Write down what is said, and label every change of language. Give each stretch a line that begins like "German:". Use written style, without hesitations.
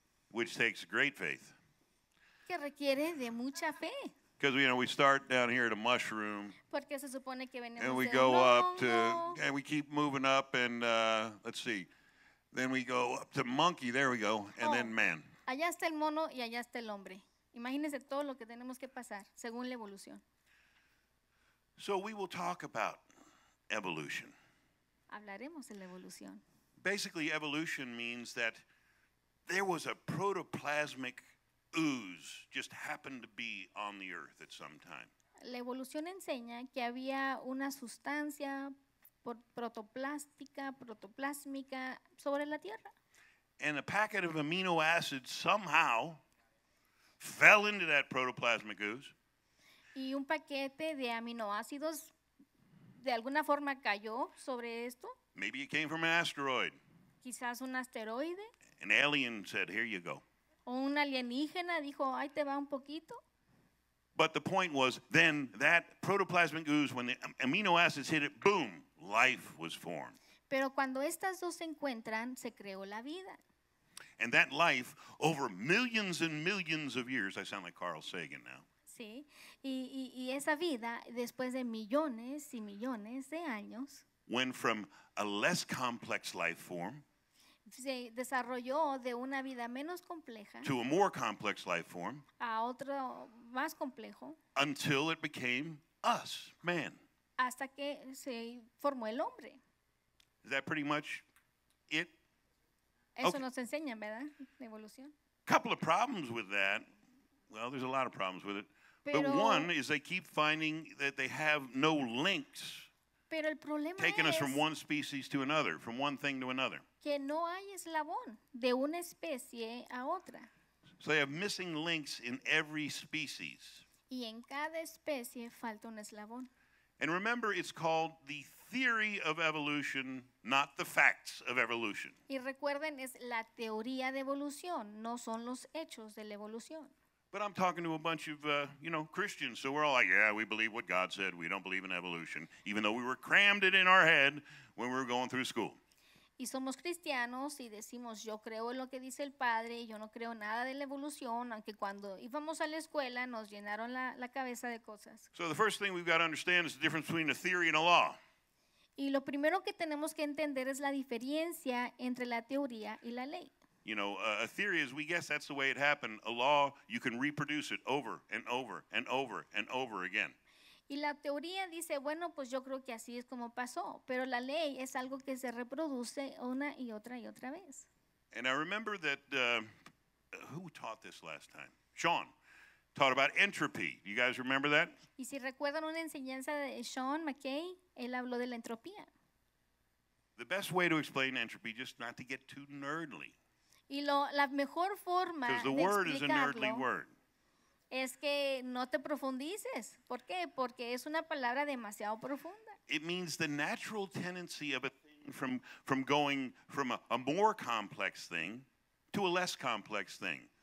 English: Which takes great faith.
Spanish: Que requiere de mucha fe.
English: Because, you know, we start down here at a mushroom.
Spanish: Porque se supone que venimos
English: and we go
Spanish: de
English: up to, and we keep moving up, and let's see. Then we go up to monkey, there we go, and then man.
Spanish: Allá está el mono y allá está el hombre. Imagínese todo lo que tenemos que pasar, según la evolución.
English: So we will talk about evolution.
Spanish: Hablaremos de la evolución.
English: Basically, evolution means that there was a protoplasmic ooze just happened to be on the earth at some time.
Spanish: La evolución enseña que había una sustancia protoplástica, protoplásmica sobre la tierra.
English: And a packet of amino acids somehow fell into that protoplasmic ooze.
Spanish: Y un paquete de aminoácidos de alguna forma cayó sobre esto.
English: Maybe it came from an asteroid.
Spanish: Quizás un asteroide.
English: An alien said, here you go.
Spanish: O un alienígena dijo, ahí te va un poquito.
English: But the point was, then that protoplasmic ooze, when the amino acids hit it, boom, life was formed.
Spanish: Pero cuando estas dos se encuentran, se creó la vida.
English: And that life, over millions and millions of years, I sound like Carl Sagan now.
Spanish: Sí, y esa vida, después de millones y millones de años,
English: went from a less complex life form
Spanish: se desarrolló de una vida menos compleja
English: to a more complex life form
Spanish: a otro más complejo
English: until it became us, man.
Spanish: Hasta que se formó el hombre.
English: Is that pretty much it?
Spanish: Eso okay. Nos enseña, ¿verdad? La evolución.
English: Couple of problems with that. Well, there's a lot of problems with it. But one is they keep finding that they have no links.
Spanish: Pero el problema
English: taking us from one species to another, from one thing to another.
Spanish: Que no hay eslabón de una especie a otra.
English: So they have missing links in every species.
Spanish: Y en cada especie falta un eslabón.
English: And remember, it's called the theory of evolution, not the facts of evolution.
Spanish: Y recuerden, es la teoría de evolución, no son los hechos de la evolución.
English: But I'm talking to a bunch of, you know, Christians, so we're all like, yeah, we believe what God said. We don't believe in evolution, even though we were crammed it in our head when we were going through school.
Spanish: Y somos cristianos y decimos, yo creo en lo que dice el Padre, yo no creo nada de la evolución, aunque cuando íbamos a la escuela nos llenaron la cabeza de cosas.
English: So the first thing we've got to understand is the difference between a theory and a law.
Spanish: Y lo primero que tenemos que entender es la diferencia entre la teoría y la ley.
English: You know, a theory is we guess that's the way it happened. A law, you can reproduce it over and over and over and over again.
Spanish: Y la teoría dice, bueno, pues yo creo que así es como pasó. Pero la ley es algo que se reproduce una y otra y otra vez.
English: And I remember that, who taught this last time? Sean taught about entropy. You guys remember that?
Spanish: Y si recuerdan una enseñanza de Sean McKay, él habló de la entropía.
English: The best way to explain entropy, just not to get too nerdly.
Spanish: Y la mejor forma de explicarlo es que no te profundices. ¿Por qué? Porque es una palabra demasiado profunda.
English: It means the natural tendency of a thing from going from a more complex thing to a less complex thing.